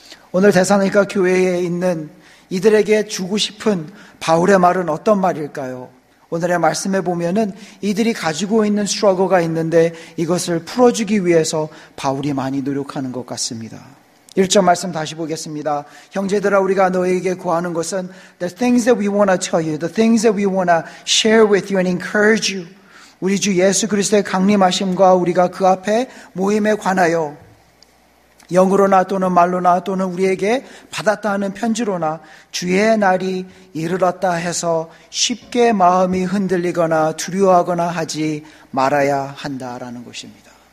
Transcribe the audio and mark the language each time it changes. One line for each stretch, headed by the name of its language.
Korean: 오늘 데살로니가 교회에 있는 이들에게 주고 싶은 바울의 말은 어떤 말일까요? 오늘의 말씀에 보면은 이들이 가지고 있는 struggle가 있는데 이것을 풀어주기 위해서 바울이 많이 노력하는 것 같습니다. 1절 말씀 다시 보겠습니다. 형제들아 우리가 너에게 구하는 것은
English: The things that we want to tell you, the things that we want to share with you and encourage you.
Korean: 우리 주 예수 그리스도의 강림하심과 우리가 그 앞에 모임에 관하여 영으로나 또는 말로나 또는 우리에게 받았다 하는 편지로나 주의 날이 이르렀다 해서 쉽게 마음이 흔들리거나 두려워하거나 하지 말아야 한다라는 것입니다.